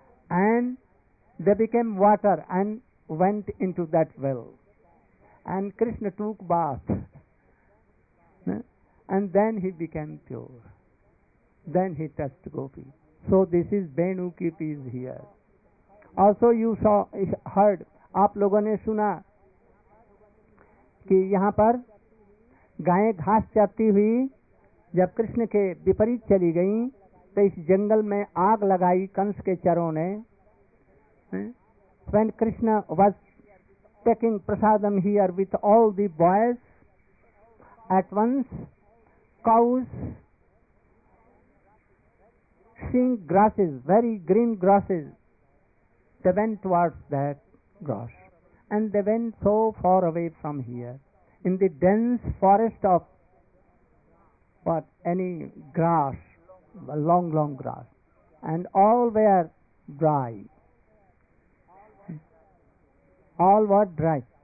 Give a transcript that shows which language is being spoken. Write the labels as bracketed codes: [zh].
[en] And they became water and went into that well. And Krishna took bath. And then he became pure. Then he touched Gopi. So this is Venu Koop is here. Also you saw, heard, [hi] आप लोगों ने सुना कि यहाँ पर गायें घास चरती हुई जब कृष्ण के विपरीत चली गई तो इस जंगल में आग लगाई कंस के चरों ने। [en] When Krishna was taking prasadam here with all the boys, at once cows seeing grasses, very green grasses, they went towards that grass, and they went so far away from here in the dense forest of what, any grass, long long grass, and all were dry, all were dry.